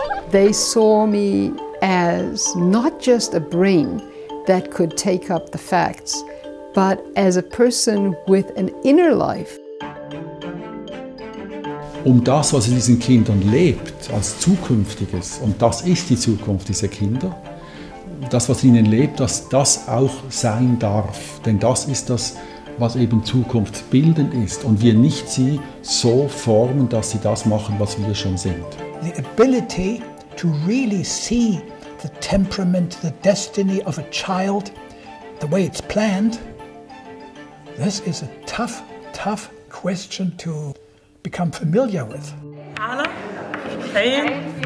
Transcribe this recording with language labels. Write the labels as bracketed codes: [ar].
[en] They saw me as not just a brain that could take up the facts, but as a person with an inner life. [de] Um das, was in diesen Kindern lebt, als Zukünftiges, und das ist die Zukunft dieser Kinder, das, was in ihnen lebt, dass das auch sein darf. Denn das ist das, was eben zukunftsbildend ist. Und wir nicht sie so formen, dass sie das machen, was wir schon sind. [en] The ability to really see the temperament, the destiny of a child, the way it's planned, this is a tough, tough question to become familiar with. Hello. Hey.